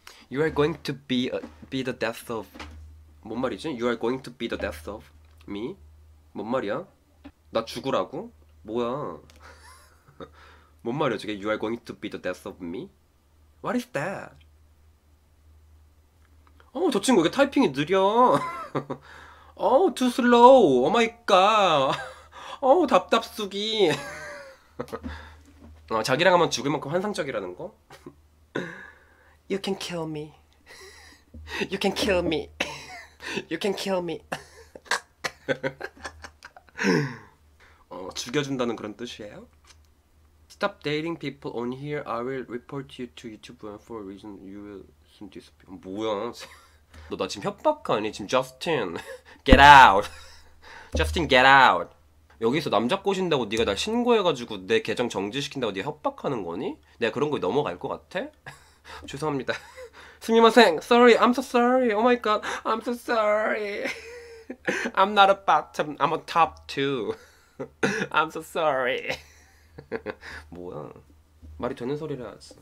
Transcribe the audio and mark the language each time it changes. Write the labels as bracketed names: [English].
[English] You are going to be the death of [Korean] 뭔 말이지? [English] You are going to be the death of me? [Korean] 뭔 말이야? 나 죽으라고? 뭐야? 뭔 말이야 저게? [English] You are going to be the death of me? What is that? [Korean] 어우 저 친구 왜 타이핑이 느려? [English] 어우 too slow. Oh my god. [Korean] 어우 답답쑥이. 자기랑 하면 죽을 만큼 환상적이라는 거? [English] You can kill me. You can kill me. You can kill me. [Korean] 죽여준다는 그런 뜻이에요? [English] Stop dating people on here. I will report you to YouTube for a reason. You will soon disappear. [Korean] 뭐야? 너 나 지금 협박하니? 지금 [English] Justin, get out. Justin, get out. [Korean] 여기서 남자 꼬신다고 네가 날 신고해가지고 내 계정 정지시킨다고 네가 협박하는 거니? 내가 그런 거 넘어갈 것 같아? 죄송합니다. [Japanese] 스미마셍. [English] Sorry. I'm so sorry. Oh my god. I'm so sorry. I'm not a bottom. I'm a top too. I'm so sorry. [Korean] 뭐야. 말이 되는 소리라.